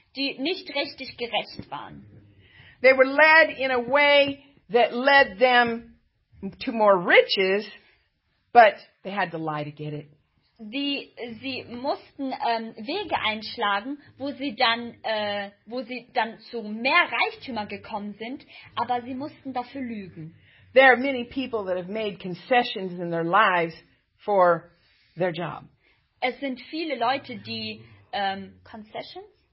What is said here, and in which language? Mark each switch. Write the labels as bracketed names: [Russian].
[German] Die nicht richtig gerecht waren. [English] They were led in a way that led them to more riches, but they had to lie to get it. [German] Sie mussten Wege einschlagen, wo sie dann zu mehr Reichtümer gekommen sind, aber sie mussten dafür lügen. [English] There are many people that have made concessions in their lives for their job. [German] Es sind viele Leute, die concessions